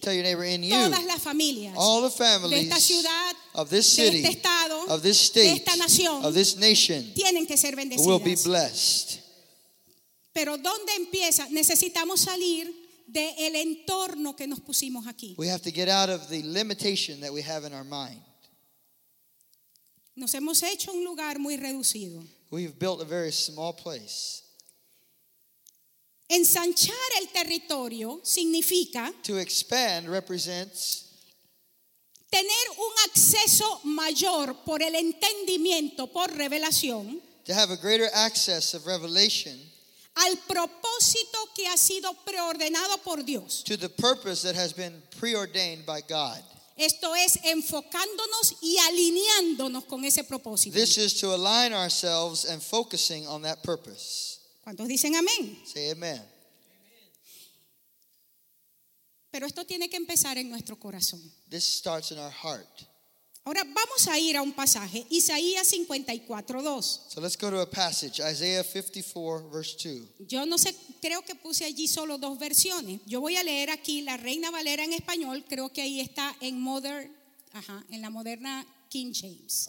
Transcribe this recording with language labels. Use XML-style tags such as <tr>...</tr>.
<en>Tell your neighbor, in you.</en> <es>Todas las familias.</es> <en>All the families.</en> <es>De esta ciudad.</es> <en>Of this city.</en> <es>De este estado.</es> <en>Of this state.</en> <es>De esta nación.</es> <en>Of this nation.</en> <es>Tienen que ser bendecidas.</es> <en>Will be blessed.</en> <es>Pero ¿dónde empieza? Necesitamos salir del entorno que nos pusimos aquí.</es> <en>We have to get out of the limitation that we have in our mind.</en> <es>Nos hemos hecho un lugar muy reducido.</es> <en>We've built a very small place.</en> <es>Ensanchar el territorio significa</es> <en>to expand represents</en> <es>tener un acceso mayor por el entendimiento, por revelación,</es> <en>to have a greater access of revelation</en> <es>al propósito que ha sido preordenado por Dios,</es> <en>to the purpose that has been preordained by God.</en> <es>Esto es enfocándonos y alineándonos con ese propósito.</es> <en>This is to align ourselves and focusing on that purpose.</en> <es>¿Cuántos dicen amén?</es> <en>Say amen.</en> <es>Pero esto tiene que empezar en nuestro corazón.</es> <en>This starts in our heart.</en> <es>Ahora vamos a ir a un pasaje, Isaías 54:2.</es> <en>So let's go to a passage, Isaiah 54, verse 2.</en> <es>Yo no sé, creo que puse allí solo dos versiones. Yo voy a leer aquí la Reina Valera en español, creo que ahí está en la moderna King James.</es>